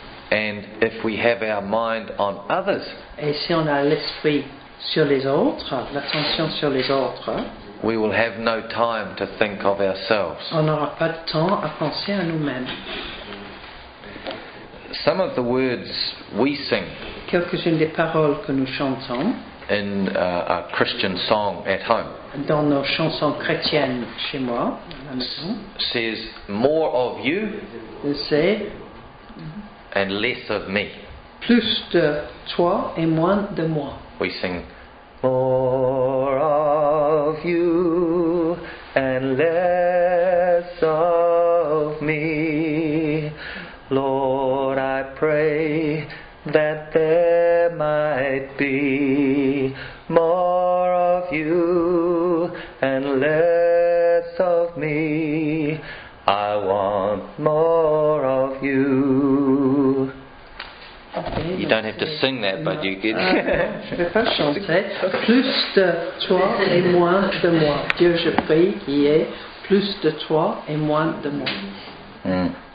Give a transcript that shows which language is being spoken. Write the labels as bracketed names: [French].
[English] And if we have our mind on others. [French] Et si on a l'esprit sur les autres, l'attention sur les autres. [English] We will have no time to think of ourselves. [French] On n'aura pas de temps à penser à nous-mêmes. [English] Some of the words we sing. [French] Quelques-unes des paroles que nous chantons. [English] In a Christian song at home. [French] Dans nos chansons chrétiennes chez moi, à la maison. [English] Says more of you. [French] C'est [English] and less of me. [French] Plus de toi et moins de moi. [English] We sing more of you and less of me. Lord, I pray that there might be more of you and less of me. I want more of you. You don't have to sing that, but you get. [French] Je vais pas chanter. Plus de toi et moins de moi. Dieu, je prie qu'il y ait plus de toi et moins de moi.